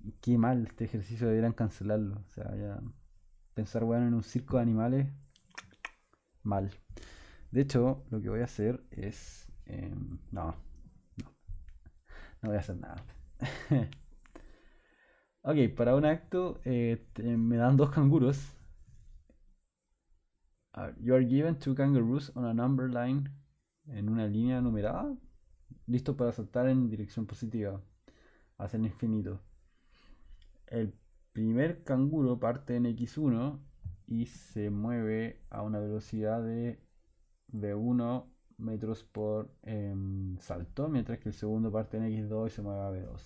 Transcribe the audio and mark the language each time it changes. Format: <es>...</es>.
<es>Qué mal este ejercicio, deberían cancelarlo. O sea, ya. Pensar bueno en un circo de animales. Mal. De hecho, lo que voy a hacer es. No. No voy a hacer nada. Ok, para un acto me dan dos canguros. A ver,</es> <en>you are given two kangaroos on a number line.</en> <es>En una línea numerada. Listo para saltar en dirección positiva hacia el infinito. El primer canguro parte en X1 y se mueve a una velocidad de B1 metros por salto, mientras que el segundo parte en X2 y se mueve a B2.</es>